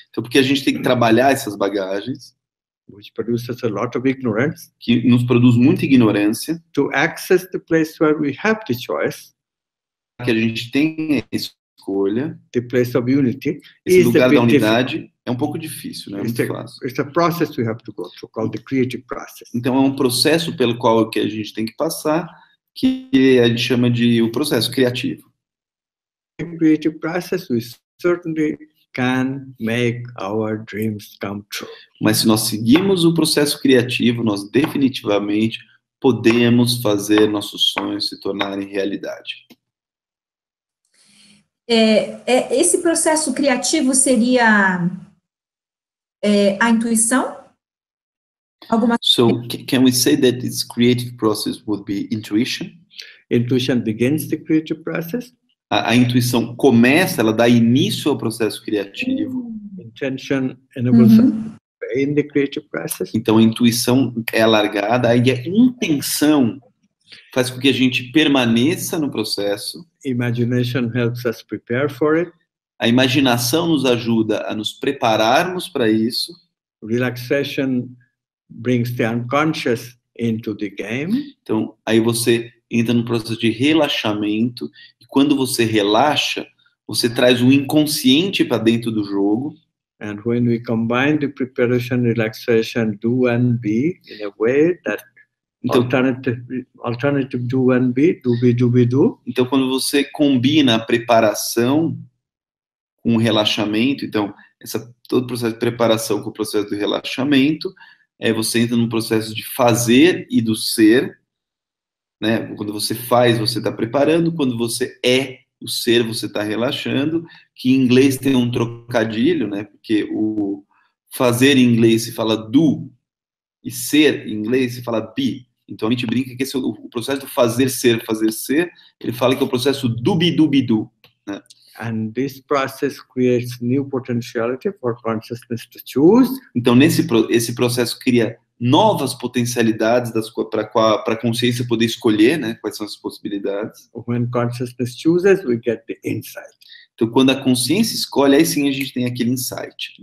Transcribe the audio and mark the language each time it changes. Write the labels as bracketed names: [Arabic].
[Portuguese] então, porque a gente tem que trabalhar essas bagagens, [English] which produces a lot of ignorance, [Portuguese] que nos produz muita ignorância, [English] to access the place where we have the choice, [Portuguese] que a gente tem a escolha, [English] the place of unity, [Portuguese] esse lugar da unidade, é um pouco difícil, né? [English] It's a process we have to go through, called the creative process. [Portuguese] Então, é um processo pelo qual que a gente tem que passar, que a gente chama de o processo criativo. [English] The creative process, we certainly can make our dreams come true. [Portuguese] Mas se nós seguirmos o processo criativo, nós definitivamente podemos fazer nossos sonhos se tornarem realidade. Esse processo criativo seria a intuição? Alguma... [English] So, can we say that this creative process would be intuition? Intuition begins the creative process. [Portuguese] A intuição começa, ela dá início ao processo criativo. [English] Intention enables in the creative process. [Portuguese] Então, a intuição é alargada e a intenção faz com que a gente permaneça no processo. [English] Imagination helps us prepare for it. [Portuguese] A imaginação nos ajuda a nos prepararmos para isso. [English] Relaxation brings the unconscious into the game. [Portuguese] Então, aí você entra no processo de relaxamento. Quando você relaxa, você traz o inconsciente para dentro do jogo. [English] And when we combine the preparation, relaxation, do and be, in a way that [Portuguese] então, [English] alternative do and be, do be, do be, do. [Portuguese] Então, quando você combina a preparação com o relaxamento, então, todo o processo de preparação com o processo de relaxamento, você entra num processo de fazer e do ser. Né? Quando você faz, você está preparando. Quando você é o ser, você está relaxando. Que em inglês tem um trocadilho, né? Porque o fazer em inglês se fala do e ser em inglês se fala be. Então a gente brinca que esse é o processo do fazer ser, ele fala que é o processo do [English] be, do be, do. [Portuguese] Né? [English] And this process creates new potentiality for consciousness to choose. [Portuguese] Então esse processo cria novas potencialidades para a consciência poder escolher, né, quais são as possibilidades. [English] When consciousness chooses, we get the insight. [Portuguese] Então, quando a consciência escolhe, aí sim a gente tem aquele insight.